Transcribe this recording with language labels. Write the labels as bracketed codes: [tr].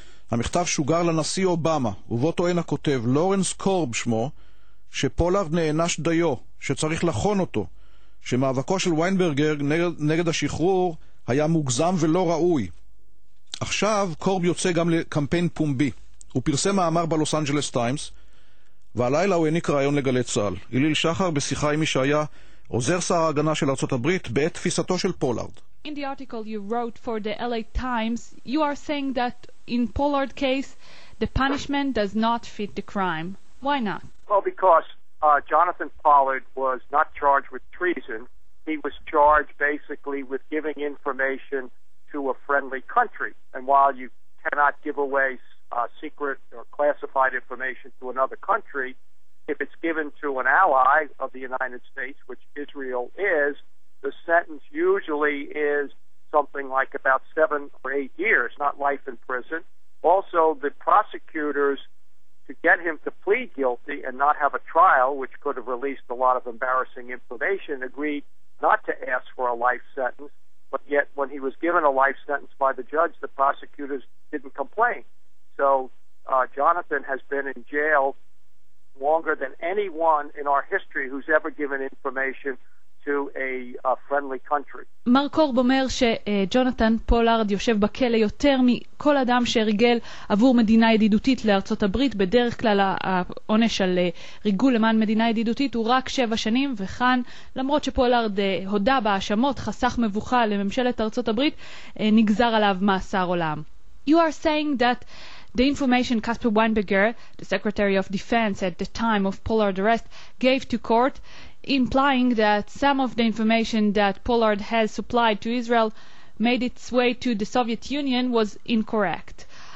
[he] המכתב שוגר לנשיא אובמה, ובו טוען הכותב, לורנס קורב שמו, שפולארד נענש דיו, שצריך לחון אותו, שמאבקו של ויינברגר נגד השחרור היה מוגזם ולא ראוי. עכשיו קורב יוצא גם לקמפיין פומבי. הוא פרסם מאמר בלוס אנג'לס טיימס, והלילה הוא העניק רעיון לגלי צהל. איליל שחר בשיחה עם מי שהיה עוזר שר ההגנה של ארצות הברית בעת תפיסתו של פולארד. [en] In the article you wrote for the LA Times, you are saying that in Pollard case, the punishment does not fit the crime. Why not? Well, because Jonathan Pollard was not charged with treason. He was charged basically with giving information to a friendly country. And while you cannot give away secret or classified information to another country, if it's given to an ally of the United States, which Israel is, the sentence usually is something like about 7 or 8 years, not life in prison. Also, the prosecutors, to get him to plead guilty and not have a trial, which could have released a lot of embarrassing information, agreed not to ask for a life sentence. But yet, when he was given a life sentence by the judge, the prosecutors didn't complain. So Jonathan has been in jail longer than anyone in our history who's ever given information to a friendly country. [he] מר קורב אומר שג'ונתן פולארד יושב בכלא יותר מכל אדם שריגל עבור מדינה ידידותית לארצות הברית. בדרך כלל העונש על ריגול למען מדינה ידידותית הוא רק 7 שנים, וכאן, למרות שפולארד הודה בהאשמות, חסך מבוכה לממשלת ארצות הברית, נגזר עליו מאסר עולם. [en] You are saying that the information Casper Weinberger, the Secretary of Defense at the time of Pollard's arrest, gave to court, implying that some of the information that Pollard has supplied to Israel made its way to the Soviet Union, was incorrect.